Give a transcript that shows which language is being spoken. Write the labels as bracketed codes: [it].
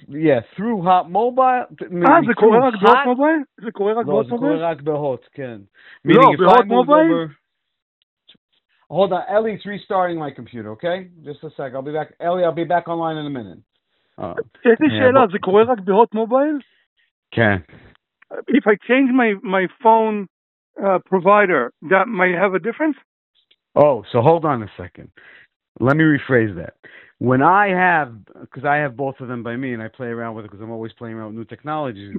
[en] Yeah, through hot mobile. [he] זה קורה רק בהוט מובייל? זה קורה רק בהוט מובייל? לא, זה קורה רק בהוט, כן. [en] Meaning no, if I move over... Hold on, Ellie's restarting my computer, okay? Just a sec, I'll be back. Ellie, I'll be back online in a minute. [he] יש לי שאלה, זה קורה רק בהוט מובייל? כן. [en] If I change my phone provider, that might have a difference? Oh, so hold on a second. Let me rephrase that. When I have, because I have both of them by me, and I play around with it because I'm always playing around with new technologies,